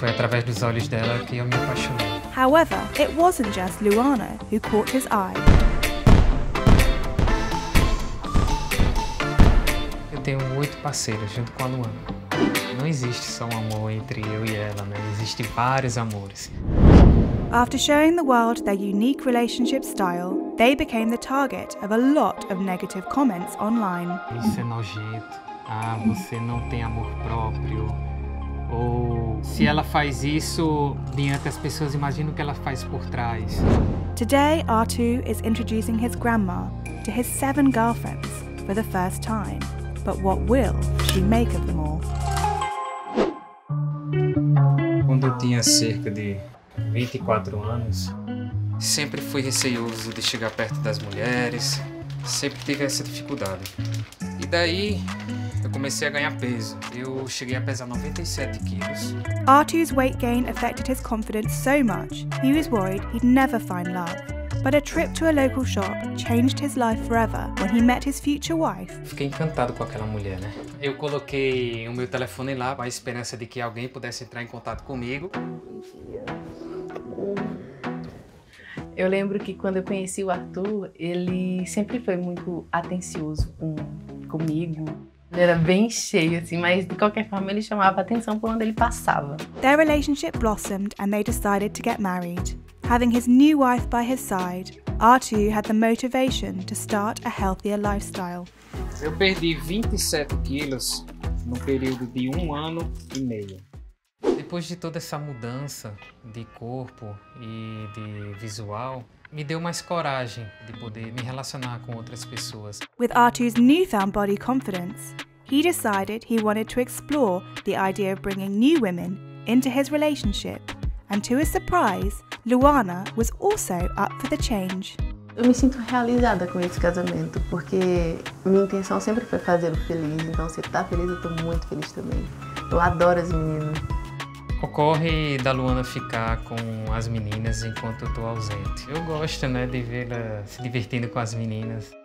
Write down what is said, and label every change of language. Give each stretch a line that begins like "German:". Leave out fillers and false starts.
Portuguese: Foi através dos olhos dela que eu me apaixonei.
English: However, it wasn't just Luana who caught his eye.
Portuguese: Eu tenho 8 parceiros junto com a Luana. Não existe só um amor entre eu e ela, né? Existem vários amores.
English: After showing the world their unique relationship style, they became the target of a lot of negative comments online.
Portuguese: Isso é nojento. Ah, você não tem amor próprio. Ou se ela faz isso diante das pessoas, imagina o que ela faz por trás.
English: Today, Artu is introducing his grandma to his 7 girlfriends for the first time. But what will she make of them all?
Portuguese: Quando eu tinha cerca de 24 anos, sempre fui receoso de chegar perto das mulheres, sempre tive essa dificuldade. E daí eu comecei a ganhar peso. Eu cheguei a pesar 97 quilos.
English: Artu's weight gain affected his confidence so much, he was worried he'd never find love. But a trip to a local shop changed his life forever when he met his future wife.
Portuguese: Fiquei encantado com aquela mulher, né? Eu coloquei o meu telefone lá com a esperança de que alguém pudesse entrar em contato comigo. Eu lembro que quando eu conheci o Artur, ele sempre foi muito atencioso comigo. Ele era bem cheio, assim, mas de qualquer forma ele chamava atenção por onde ele passava.
English: Their relationship blossomed and they decided to get married. Having his new wife by his side, Artur had the motivation to start a healthier lifestyle.
Portuguese: Eu perdi 27 quilos no período de 1 ano e meio. Depois de toda essa mudança de corpo e de visual, me deu mais coragem de poder me relacionar com outras pessoas.
English: With Artu's newfound body confidence, he decided he wanted to explore the idea of bringing new women into his relationship. And to his surprise, Luana was also up for the change.
Portuguese: Eu me sinto realizada com esse casamento, porque minha intenção sempre foi fazê-lo feliz. Então, se tá feliz, eu tô muito feliz também. Eu adoro as meninas. Ocorre da Luana ficar com as meninas enquanto eu tô ausente. Eu gosto, né, de vê-la se divertindo com as meninas.